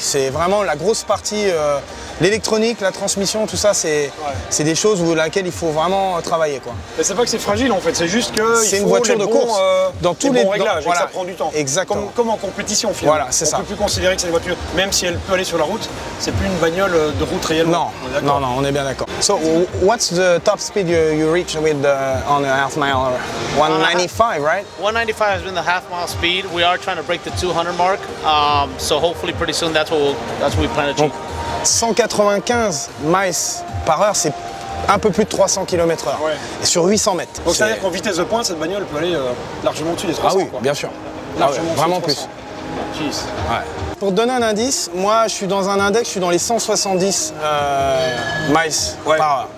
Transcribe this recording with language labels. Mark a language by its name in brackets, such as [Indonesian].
[French] C'est vraiment la grosse partie, l'électronique, la transmission, tout ça, c'est des choses où laquelle il faut vraiment travailler. Quoi. Mais c'est pas que c'est fragile en fait, c'est juste que c'est une voiture de course dans tous les bons réglages, ça prend du temps. Exactement. Comme en compétition finalement. Voilà, c'est on ça. Peut plus considérer que c'est une voiture, même si elle peut aller sur la route, c'est plus une bagnole de route réellement. Non, on est bien d'accord. [English] So what's the top speed you reach with on a half mile? 195, right? 195 has been the half mile speed. We are trying to break the 200 mark, so hopefully pretty soon that's what we plan to achieve. [French] Donc, 195 miles par heure, c'est un peu plus de 300 km/h et sur 800 mètres. Donc c'est-à-dire qu'en vitesse de pointe, cette bagnole peut aller largement au-dessus des 300. Ah oui, quoi. Bien sûr. Vraiment plus. Jeez. Ouais. Pour te donner un indice, moi je suis dans un index, je suis dans les 170 miles par heure.